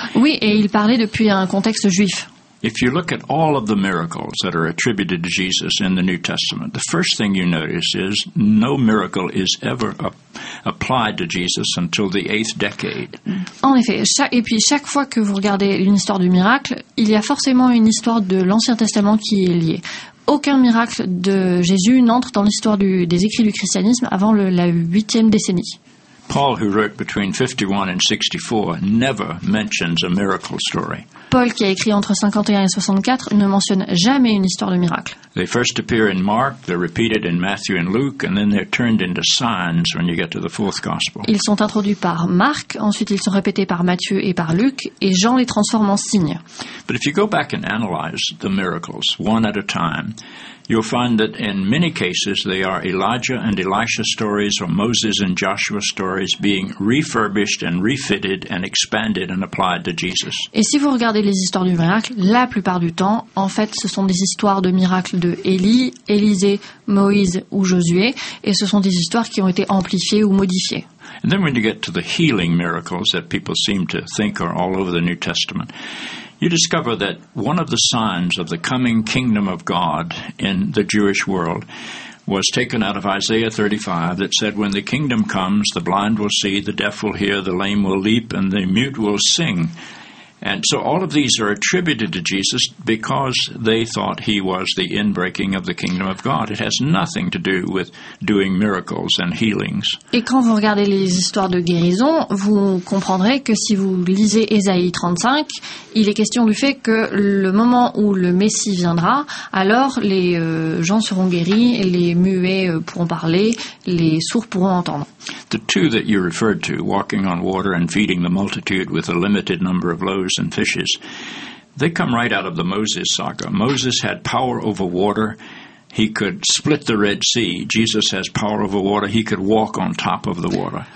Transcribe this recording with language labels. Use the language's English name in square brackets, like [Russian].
[French] Oui, et ils parlaient depuis un contexte juif. [English] If you look at all of the miracles that are attributed to Jesus in the New Testament, the first thing you notice is no miracle is ever applied to Jesus until the eighth decade. [French] En effet, chaque fois que vous regardez une histoire du miracle, il y a forcément une histoire de l'Ancien Testament qui est liée. Aucun miracle de Jésus n'entre dans l'histoire des écrits du christianisme avant la huitième décennie. [English] Paul, who wrote between 51 and 64, never mentions a miracle story. [French] Paul, qui a écrit entre 51 et 64, ne mentionne jamais une histoire de miracle. [English] They first appear in Mark, they're repeated in Matthew and Luke, and then they're turned into signs when you get to the fourth gospel. [French] Ils sont introduits par Marc, ensuite ils sont répétés par Matthieu et par Luc, et Jean les transforme en signes. [English] But if you go back and analyze the miracles one at a time, you'll find that in many cases they are Elijah and Elisha stories or Moses and Joshua stories being refurbished and refitted and expanded and applied to Jesus. [French] Et si vous regardez les histoires du miracle, la plupart du temps, en fait, ce sont des histoires de miracles de Élie, Élisée, Moïse ou Josué, et ce sont des histoires qui ont été amplifiées ou modifiées. [English] And then when you get to the healing miracles that people seem to think are all over the New Testament, you discover that one of the signs of the coming kingdom of God in the Jewish world was taken out of Isaiah 35 that said, when the kingdom comes, the blind will see, the deaf will hear, the lame will leap, and the mute will sing. And so all of these are attributed to Jesus because they thought he was the inbreaking of the kingdom of God. It has nothing to do with doing miracles and healings. [French] Et quand vous regardez les histoires de guérison, vous comprendrez que si vous lisez Ésaïe 35, il est question du fait que le moment où le Messie viendra, alors les gens seront guéris, les muets pourront parler, les sourds pourront entendre. [English] The two that you referred to, walking on water and feeding the multitude with a limited number of loaves and fishes, they come right out of the Moses saga. Moses had power over water. He could split the Red Sea. Jesus has power over water. He could walk on top of the water.